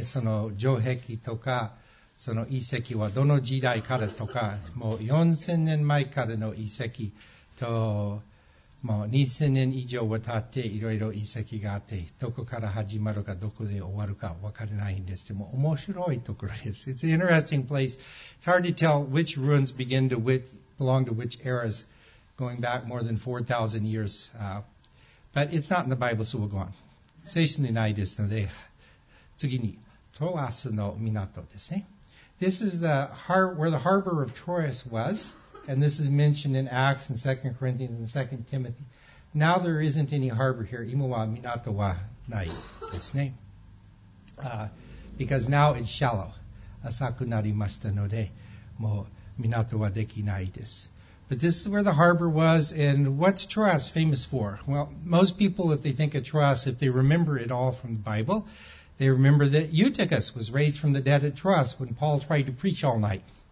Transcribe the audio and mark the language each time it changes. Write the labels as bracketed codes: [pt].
[ja] その城壁とか、その遺跡はどの時代からとか、もう4000年前からの遺跡と、もう2000年以上は経っていろいろ遺跡があって、どこから始まるか、どこで終わるか分からないんです。でも面白いところです。 [en] It's an interesting place. It's hard to tell which ruins begin to which, belong to which eras going back more than 4,000 years. But it's not in the Bible, so we'll go on. [ja] 聖書にないですので、次に、トロアスの港ですね。 [en] This is the where the harbor of Troas was, and this is mentioned in Acts and 2 Corinthians and 2 Timothy. Now there isn't any harbor here. [ja] 今は港はないですね。 [en] Because now it's shallow. [ja] 浅くなりましたので、もう港はできないです。 [en] But this is where the harbor was, and what's Troas famous for? Well, most people, if they think of Troas, if they remember it all from the Bible, they remember that Eutychus was raised from the dead at Troas when Paul tried to preach all night.